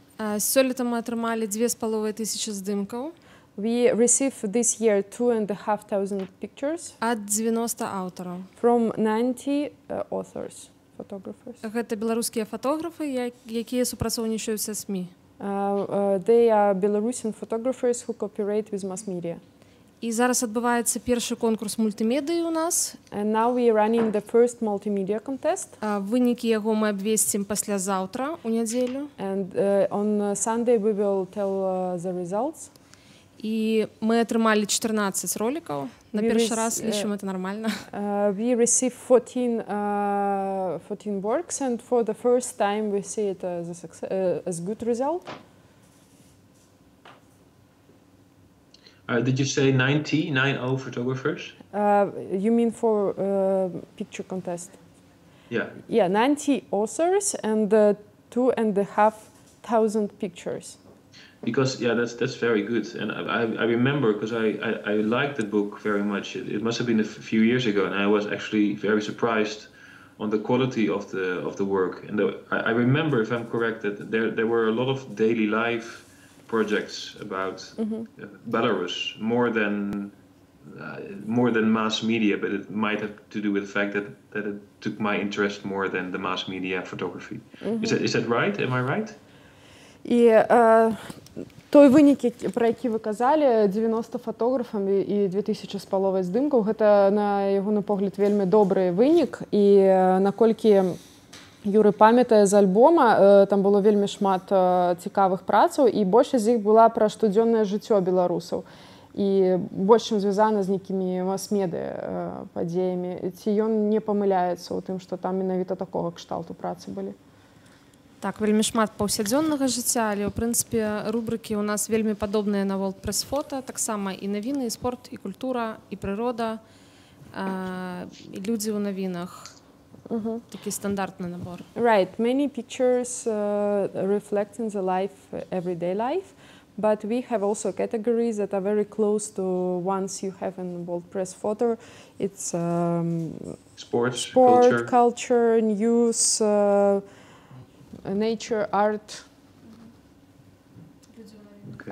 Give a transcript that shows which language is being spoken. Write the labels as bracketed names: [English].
[Belarusian] Сёлета мы атрымалі 2,500 здымкаў. [English] We received this year 2,500 pictures. [Belarusian] Ад 90 аўтараў. [English] From 90 authors, photographers. [Belarusian] Гэта беларускія фатографы, якія супрацоўнічаюць са СМІ. [English] They are Belarusian photographers who cooperate with mass media. [Belarusian] І зараз адбываецца першы конкурс мультымедыі у нас. [English] And now we are running the first multimedia contest. [Belarusian] Вынікі яго мы абвесцім паслязаўтра, у нядзелю. [English] And on Sunday we will tell the results. [Ukrainian] И мы отримали 14 роликов. На перший раз лічимо це нормально. [English] We received 14 works and for the first time we see it as a success, as good result. Did you say 90 photographers? You mean for picture contest? Yeah. Yeah, 90 authors and 2,500 pictures. Because yeah, that's very good, and I remember because I liked the book very much. It must have been a few years ago, and I was actually very surprised on the quality of the work. And I remember, if I'm correct, that there were a lot of daily life projects about mm-hmm. Belarus, more than mass media. But it might have to do with the fact that it took my interest more than the mass media photography. Mm-hmm. Is that right? Am I right? [Ukrainian] І той винік, про який ви казали, 90 фотографів і 2,5 здимків, це, на його погляд, вельми добрий винік. І наскільки Юрі пам'ятає з альбома, там було вельми шмат цікавих праць, і більшість з них була про щоденне життя білорусів. І більше зв'язана з якими мас-меди подіями. Ці він не помиляється у тим, що там менавіто такого кшталту праці були. [Belarusian] Так, вельми шмат повсядзённага жыцця, але, у прынцыпе, рубрыкі ў нас вельмі падобныя на World Press Photo, таксама і навіны, і спорт, і культура, і прырода, і людзі ў навінах. Угу. Такі стандартны набор. [English] Right, many pictures reflecting the life, everyday life, but we have also categories that are very close to ones you have in World Press Photo. It's sport, culture, news, nature, art, okay.